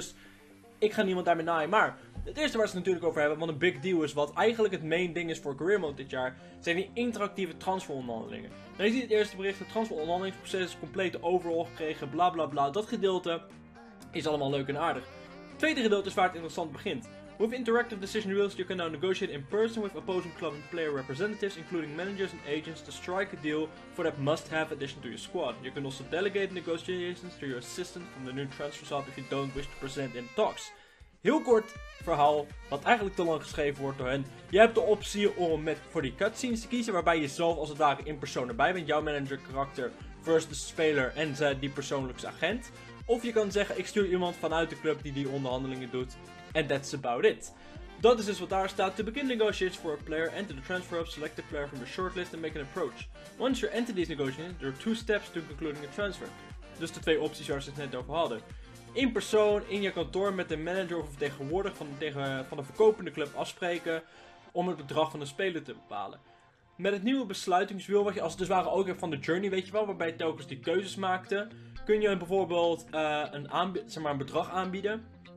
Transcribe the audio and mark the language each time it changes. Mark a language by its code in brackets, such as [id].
[nl] Dus ik ga niemand daarmee naaien. Maar het eerste waar ze het natuurlijk over hebben, want een big deal is wat eigenlijk het main ding is voor Career Mode dit jaar, zijn die interactieve transferonderhandelingen. Nou, je ziet het eerste bericht, het transferonderhandelingsproces is compleet overal gekregen, bla bla bla. Dat gedeelte is allemaal leuk en aardig. Het tweede gedeelte is waar het interessant begint. [en] With interactive decision wheels, you can now negotiate in person with opposing club and player representatives, including managers and agents, to strike a deal for that must-have addition to your squad. You can also delegate negotiations to your assistant from the new transfer shop if you don't wish to present in talks. [nl] Heel kort verhaal, wat eigenlijk te lang geschreven wordt door hen. Je hebt de optie om voor die cutscenes te kiezen, waarbij je zelf als het ware in persoon erbij bent. Jouw manager karakter versus de speler en die persoonlijke agent. Of je kan zeggen, ik stuur iemand vanuit de club die onderhandelingen doet. [en] And that's about it. [nl] Dat is dus wat daar staat. [en] To begin negotiations for a player, enter the transfer hub, select a player from the shortlist and make an approach. Once you enter these negotiations, there are two steps to concluding a transfer. [nl] Dus de twee opties waar ze het net over hadden. In persoon, in je kantoor, met de manager of vertegenwoordiger van de verkopende club afspreken om het bedrag van de speler te bepalen. Met het nieuwe besluitingswiel, wat je als het dus ware ook hebt van de journey, weet je wel, waarbij je telkens die keuzes maakte, kun je bijvoorbeeld een bedrag aanbieden.